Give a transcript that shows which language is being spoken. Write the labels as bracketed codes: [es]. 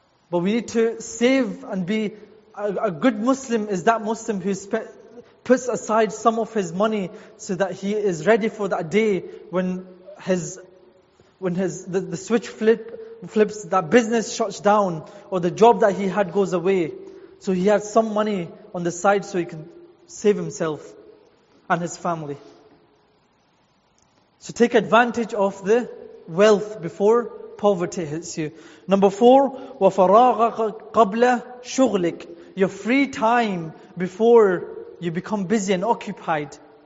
[en] But we need to save and be a good Muslim is that Muslim who puts aside some of his money so that he is ready for that day when the switch flips, that business shuts down or the job that he had goes away. So he has some money on the side so he can save himself and his family. So take advantage of the wealth before poverty hits you. [ar] Number four, وَفَرَاغَكَ قَبْلَ شُغْلِكَ. [en] Your free time before you become busy and occupied.